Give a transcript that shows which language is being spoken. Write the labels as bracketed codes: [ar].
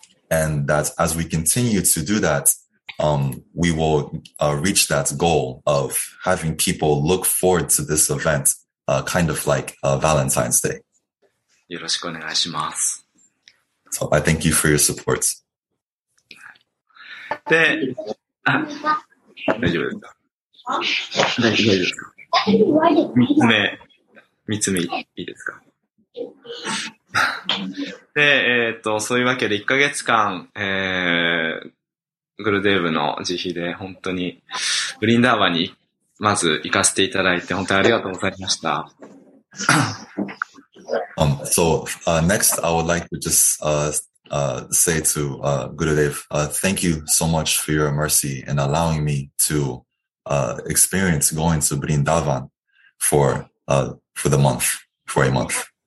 [en] And that as we continue to do that, we will reach that goal of having people look forward to this event, kind of like Valentine's Day. [ja] よろしくお願いします。 [en] So I thank you for your support. [ja] で、大丈夫ですか？大丈夫ですか？三つ目いいですか？で、そういうわけで1ヶ月間、グルデーブの慈悲で本当にブリンダーバにまず行かせていただいて本当にありがとうございました。 [en] Next, I would like to just say to Gurudev, thank you so much for your mercy in allowing me to experience going to Vrindavan for the month, for a month.